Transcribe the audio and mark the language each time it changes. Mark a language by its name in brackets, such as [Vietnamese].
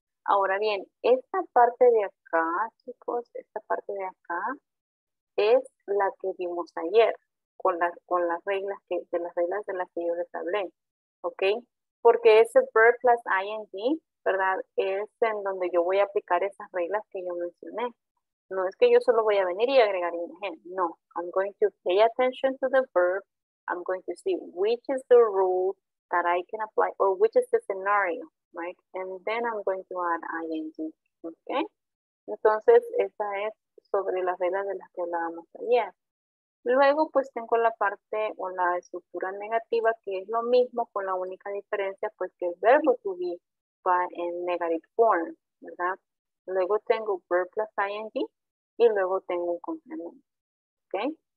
[Spanish] Ahora bien, esta parte de acá, chicos, esta parte de acá es la que vimos ayer con las reglas de las que yo les hablé, ¿ok? Porque ese verb plus ing, ¿verdad? Es en donde yo voy a aplicar esas reglas que yo mencioné. No es que yo solo voy a venir y agregar ing, no. [English] I'm going to pay attention to the verb. I'm going to see which is the rule that I can apply or which is the scenario. Right? And then I'm going to add ing, okay? [Spanish] Entonces, esa es sobre las reglas de las que hablábamos ayer. Luego, pues, tengo la parte o la estructura negativa, que es lo mismo, con la única diferencia, pues, que el verbo to be va en negative form, ¿verdad? Luego tengo verb plus ing, y luego tengo un complemento, okay?